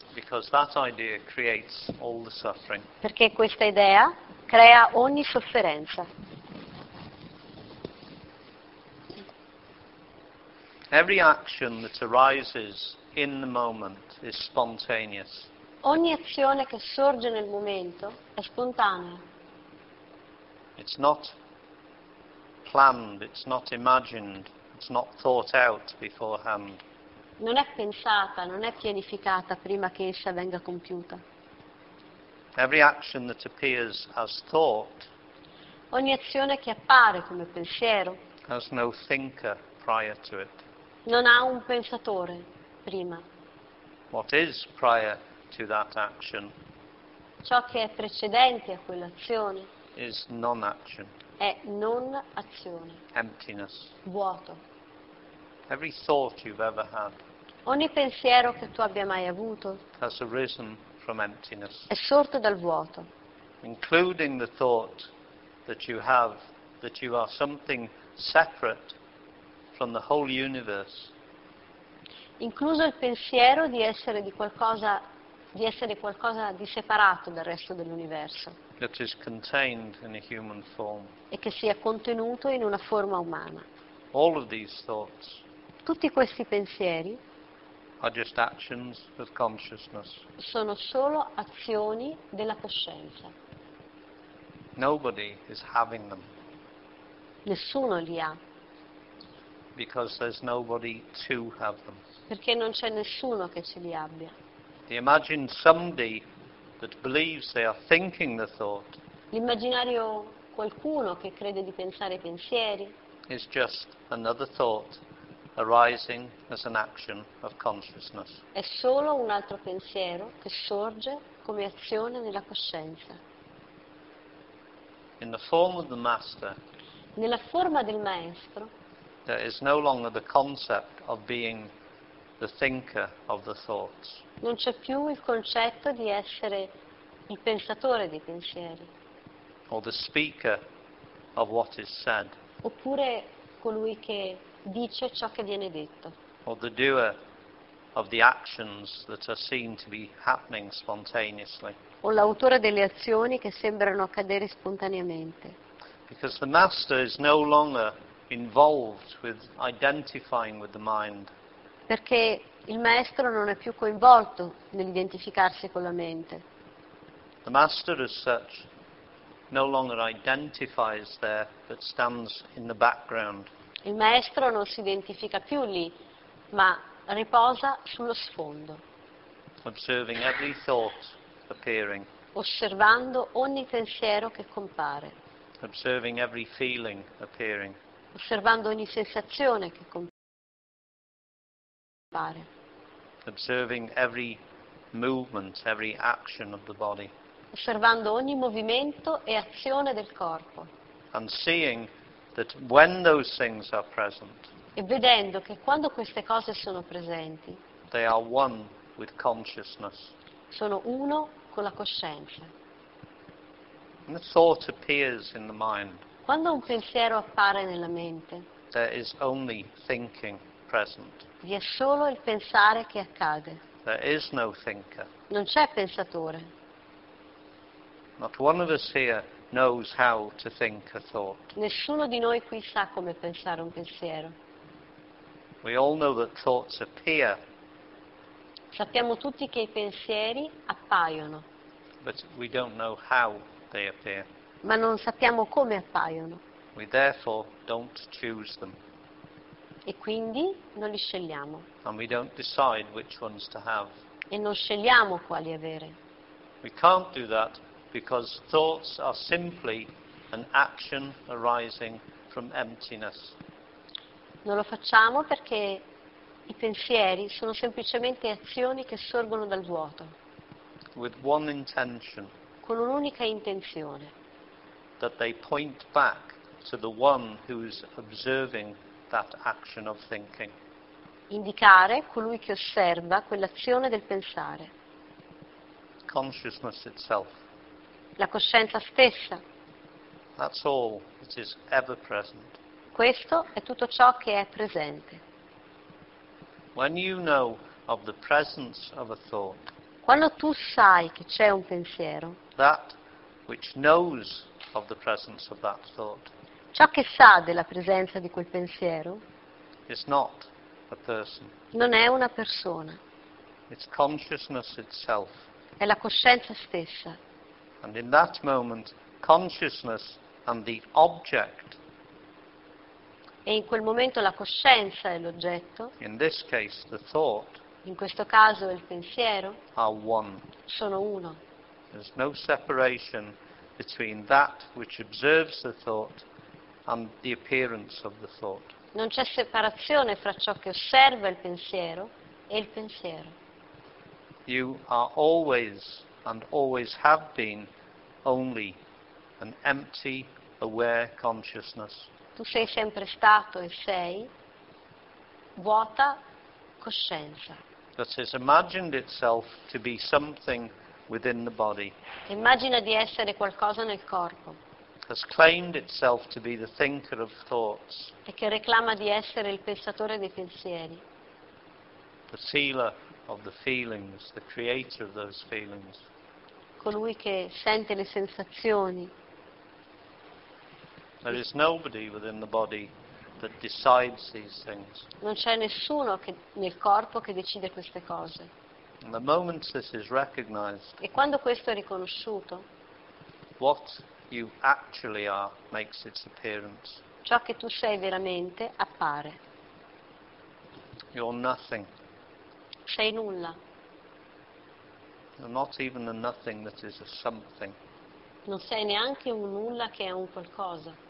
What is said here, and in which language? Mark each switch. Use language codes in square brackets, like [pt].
[en] Because that idea creates all the suffering. [it] Perché questa idea crea ogni sofferenza. [en] Every action that arises in the moment is spontaneous. [it] Ogni azione che sorge nel momento è spontanea. [en] It's not planned, it's not imagined, it's not thought out beforehand. [it] Non è pensata, non è pianificata prima che essa venga compiuta. [en] Every action that appears as thought. [it] Ogni azione che appare come pensiero. [en] Has no thinker prior to it. [it] Non ha un pensatore prima. [en] What is prior to that action? [it] Ciò che è precedente a quell'azione. [en] Is non-action. [it] È non azione. [en] Emptiness. [it] Vuoto. [en] Every thought you've ever had. [it] Ogni pensiero che tu abbia mai avuto [en] has arisen from emptiness. [it] È sorto dal vuoto. [en] Including the thought that you have that you are something separate from the whole universe. [it] Incluso il pensiero di essere qualcosa di separato dal resto dell'universo. [en] That is contained in a human form. [it] E che sia contenuto in una forma umana. [en] All of these thoughts. [it] Tutti questi pensieri. [en] Are just actions of consciousness. [it] Sono solo azioni della coscienza. [en] Nobody is having them. [it] Nessuno li ha. [en] Because there's nobody to have them. [it] Perché non c'è nessuno che ce li abbia. [en] They imagine somebody that believes they are thinking the thought. [it] L'immaginario qualcuno che crede di pensare i pensieri. [en] Is just another thought. Arising as an action of consciousness. [it] È solo un altro pensiero che sorge come azione nella coscienza. [en] In the form of the master. [it] Nella forma del maestro. [en] There is no longer the concept of being the thinker of the thoughts. [it] Non c'è più il concetto di essere il pensatore dei pensieri. [en] Or the speaker of what is said. [it] Oppure colui che dice ciò che viene detto. [en] Or the doer of the actions that are seen to be happening spontaneously. [it] O l'autore delle azioni che sembrano accadere spontaneamente. [en] Because the master is no longer involved with identifying with the mind. [it] Perché il maestro non è più coinvolto nell'identificarsi con la mente. [en] The master as such no longer identifies there but stands in the background. [it] Il maestro non si identifica più lì, ma riposa sullo sfondo. [en] Observing every thought appearing. [it] Osservando ogni pensiero che compare. [en] Observing every feeling appearing. [it] Osservando ogni sensazione che compare. [en] Observing every movement, every action of the body. [it] Osservando ogni movimento e azione del corpo. [en] And seeing that when those things are present, [it] E vedendo che quando queste cose sono presenti, [en] They are one with consciousness. [it] sono uno con la coscienza. [en] And the thought appears in the mind. [it] Quando un pensiero appare nella mente, [en] there is only thinking present. [it] Vi è solo il pensare che accade. [en] There is no thinker. [it] Non c'è pensatore. [en] Not one of us here knows how to think a thought. [it] Nessuno di noi qui sa come pensare un pensiero. [en] We all know that thoughts appear. [it] Sappiamo tutti che i pensieri appaiono. [en] But we don't know how they appear. [it] Ma non sappiamo come appaiono. [en] We therefore don't choose them. [it] E quindi non li scegliamo. [en] And we don't decide which ones to have. [it] E non scegliamo quali avere. [en] We can't do that because thoughts are simply an action arising from emptiness. [it] Non lo facciamo perché i pensieri sono semplicemente azioni che sorgono dal vuoto. [en] With one intention. [it] Con un'unica intenzione. [en] That they point back to the one who is observing that action of thinking. [it] Indicare colui che osserva quell'azione del pensare. [en] Consciousness itself. [it] La coscienza stessa. [en] That's all that is ever present. [it] Questo è tutto ciò che è presente. [en] When you know of the presence of a thought, [it] quando tu sai che c'è un pensiero, [en] that which knows of the presence of that thought, [it] ciò che sa della presenza di quel pensiero, [en] is not a person. [it] Non è una persona. [en] It's consciousness itself. [it] È la coscienza stessa. [en] And in that moment, consciousness and the object. [it] E in quel momento la coscienza e l'oggetto, [en] in this case, the thought, [it] in questo caso il pensiero, [en] are one. [it] Sono uno. [en] There's no separation between that which observes the thought and the appearance of the thought. [it] Non c'è separazione fra ciò che osserva il pensiero e il pensiero. [en] You are always and always have been only an empty, aware consciousness. [it] Tu sei sempre stato e sei vuota coscienza. [en] That has imagined itself to be something within the body. [it] Immagina di essere qualcosa nel corpo. [en] Has claimed itself to be the thinker of thoughts. [it] E che reclama di essere il pensatore dei pensieri. [en] The sealer of the feelings, the creator of those feelings. [it] Colui che sente le sensazioni. [en] There is nobody within the body that decides these things. [it] Non c'è nessuno che nel corpo che decide queste cose. [en] And the moment this is recognized, [it] e quando questo è riconosciuto, [en] what you actually are makes its appearance. [it] Ciò che tu sei veramente appare. [en] You're nothing. [it] Sei nulla. [en] You're not even a nothing that is a something. [it] Non sei neanche un nulla che è un qualcosa.